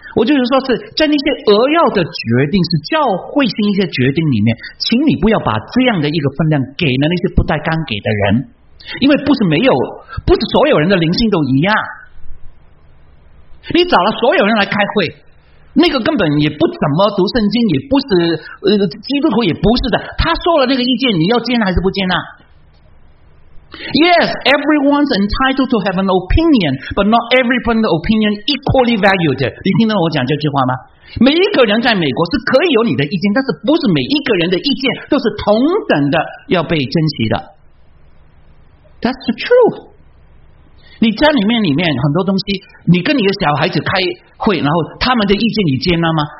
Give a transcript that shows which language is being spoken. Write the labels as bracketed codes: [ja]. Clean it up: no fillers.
[zh] 我就是说是在那些扼要的决定，是教会性一些决定里面，请你不要把这样的一个分量给了那些不带纲给的人，因为不是没有，不是所有人的灵性都一样。你找了所有人来开会。那个根本也不怎么读圣经，也不是基督徒，也不是的。他说了那个意见，你要接纳还是不接纳？ [en] Yes, everyone's entitled to have an opinion, but not everyone's opinion equally valued. [zh] 你听到我讲这句话吗？每一个人在美国是可以有你的意见，但是不是每一个人的意见都是同等的要被珍惜的。 [en] That's the truth。 [zh] 你家里面很多东西，你跟你的小孩子开会，然后他们的意见你接纳吗？